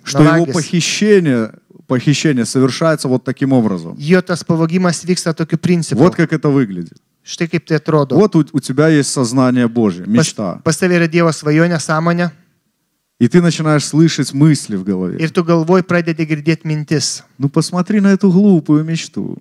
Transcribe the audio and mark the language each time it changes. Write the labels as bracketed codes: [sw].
[ru] Что его похищение... похищение совершается вот таким образом. Вот как это выглядит. [lt] Štai kaip tai atrodo. [ru] Вот у тебя есть сознание Божие, мечта. [lt] Pasaveri Dievo svajonę, sąmonę. [ru] И ты начинаешь слышать мысли в голове. [lt] Ir tu galvoj pradedi girdėti mintis. [ru] Ну посмотри на эту глупую мечту.